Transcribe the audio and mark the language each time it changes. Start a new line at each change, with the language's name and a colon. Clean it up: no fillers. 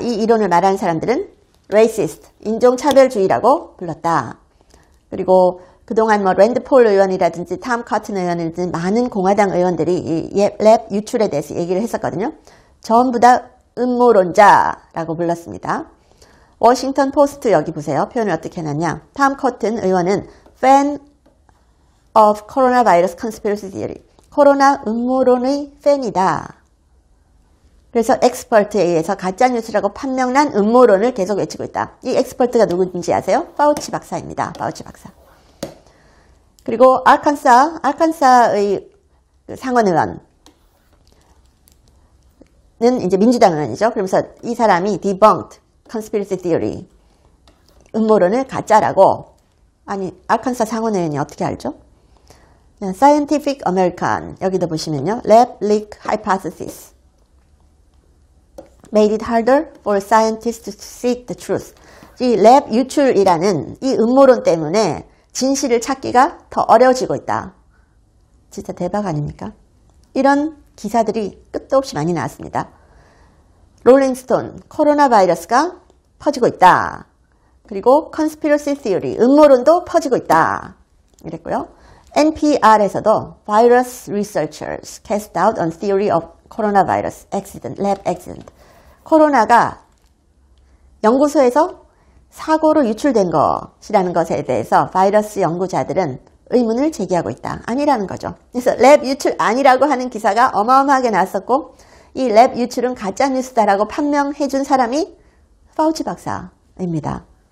Korean: 이 이론을 말하는 사람들은 레이시스트, 인종차별주의라고 불렀다. 그리고 그동안 뭐 랜드 폴 의원이라든지 톰 커튼 의원이라든지 많은 공화당 의원들이 랩 유출에 대해서 얘기를 했었거든요. 전부 다 음모론자라고 불렀습니다. 워싱턴 포스트 여기 보세요. 표현을 어떻게 해놨냐. 톰 커튼 의원은
English: fan of coronavirus conspiracy theory.
Korean: 코로나 음모론의 팬이다. 그래서 엑스퍼트에 의해서 가짜뉴스라고 판명난 음모론을 계속 외치고 있다. 이 엑스퍼트가 누구인지 아세요? 파우치 박사입니다. 파우치 박사. 그리고 아칸사의 상원의원은 이제 민주당 의원이죠. 그러면서 이 사람이
English: debunked conspiracy theory
Korean: 음모론을 가짜라고. 아니, 아칸사 상원의원이 어떻게 알죠? Scientific American, 여기도 보시면요.
English: Lab leak hypothesis made it harder for scientists to seek the truth.
Korean: 이 lab 유출이라는 이 음모론 때문에 진실을 찾기가 더 어려워지고 있다. 진짜 대박 아닙니까? 이런 기사들이 끝도 없이 많이 나왔습니다. 롤링스톤, 코로나 바이러스가 퍼지고 있다. 그리고 conspiracy theory, 음모론도 퍼지고 있다. 이랬고요.
English: NPR에서도 virus researchers cast doubt on theory of coronavirus accident, lab accident.
Korean: 코로나가 연구소에서 사고로 유출된 것이라는 것에 대해서 바이러스 연구자들은 의문을 제기하고 있다. 아니라는 거죠. 그래서 lab 유출 아니라고 하는 기사가 어마어마하게 나왔었고 이 lab 유출은 가짜뉴스다라고 판명해 준 사람이 파우치 박사입니다.